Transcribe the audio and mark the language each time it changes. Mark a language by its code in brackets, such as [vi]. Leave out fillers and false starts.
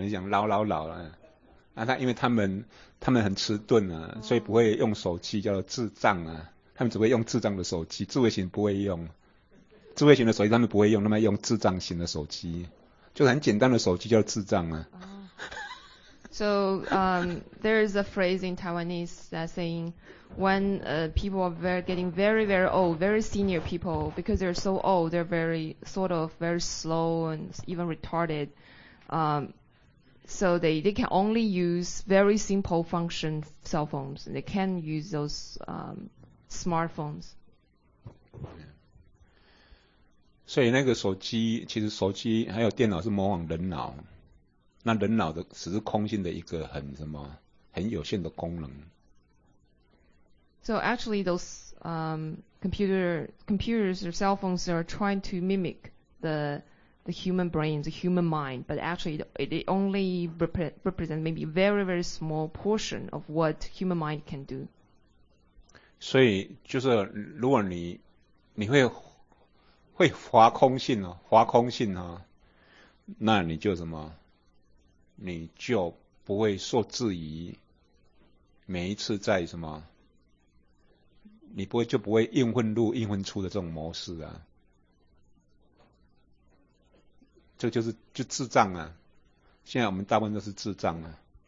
[zh] 你讲老老老了，那、啊、因为他们很迟钝啊，所以不会用手机，叫做智障啊。他们只会用智障的手机，智慧型不会用。智慧型的手机他们不会用，他们用智障型的手机，就是很简单的手机叫智障啊。 [en] So there is a phrase in Taiwanese that saying when people are getting very, very old, very senior people, because they're so old, they're very sort of very slow and even retarded. So they can only use very simple function cell phones. They can use those smartphones. [zh] 所以那个手机，其实手机还有电脑是模仿人脑。那人脑的只是空性的一个很什么很有限的功能。 [en] So actually, those computers or cell phones are trying to mimic the human brain, the human mind, but actually it only represent maybe very very small portion of what human mind can do. [zh] 所以就是如果你会滑空性哦，滑空性哦，那你就什么？你就不会受制于每一次在什么，你不会就不会应混入应混出的这种模式啊，这就是就智障啊，现在我们大部分都是智障啊。